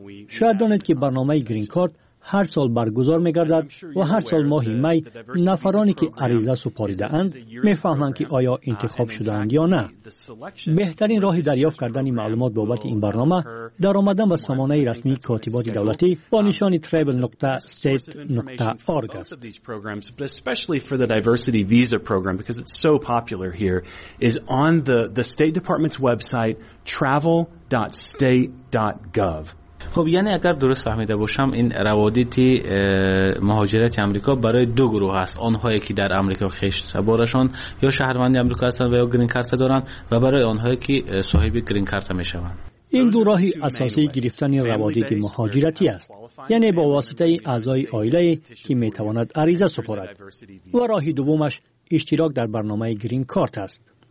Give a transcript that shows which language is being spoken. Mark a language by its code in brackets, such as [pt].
[fa] شاید دانید که برنامه گرین کارت هر سال برگزار می‌گردد و هر سال ماه می نفرانی که عریضه سپاریده اند می‌فهمند که آیا انتخاب شده اند یا نه. بهترین راهی دریافت کردن معلومات بابت این برنامه در آمدن و سامانه رسمی کاتبات دولتی با نشان travel.state.org است. [en] Especially for the diversity visa program because it's so popular here is on the State Department's website travel.state.gov. [fa] خب یعنی اگر درست فهمیده باشم این روادید مهاجرت آمریکا برای دو گروه است، آنهایی که در آمریکا خشت بارشان یا شهروند آمریکا هستند و یا گرین کارت دارند و برای آنهایی که صاحب گرین کارت میشوند. این دو راهی اساسی گرفتن روادید مهاجرتی است، یعنی با واسطه اعضای آیله که میتواند عریضه سپارد، و راه دومش اشتراک در برنامه گرین کارت است.